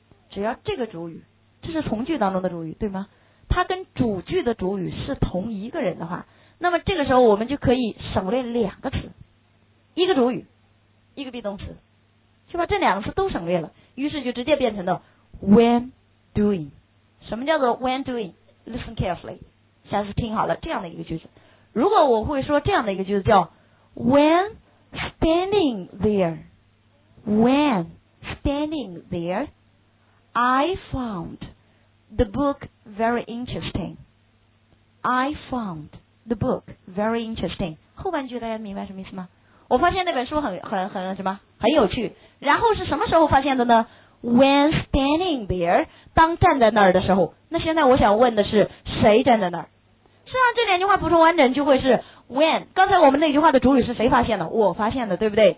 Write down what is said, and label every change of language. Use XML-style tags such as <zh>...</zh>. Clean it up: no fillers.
<zh>只要这个主语，这是从句当中的主语对吗，它跟主句的主语是同一个人的话，那么这个时候我们就可以省略两个词，一个主语一个 be 动词，就把这两个词都省略了，于是就直接变成了</zh> <en>when doing。</en> <zh>什么叫做</zh> <en>when doing？ listen carefully，</en> <zh>下次听好了，这样的一个句子，如果我会说这样的一个句子叫</zh> <en>when standing there， when standing there I found the book very interesting， I found the book very interesting，</en> <zh>后半句大家明白什么意思吗？我发现那本书很什么，很有趣。然后是什么时候发现的呢？</zh> <en>when standing there，</en> <zh>当站在那儿的时候。那现在我想问的是谁站在那儿？实际上这两句话补充完整就会是</zh> <en>When</en> <zh>刚才我们那句话的主语是谁发现的？我发现的，对不对？</zh>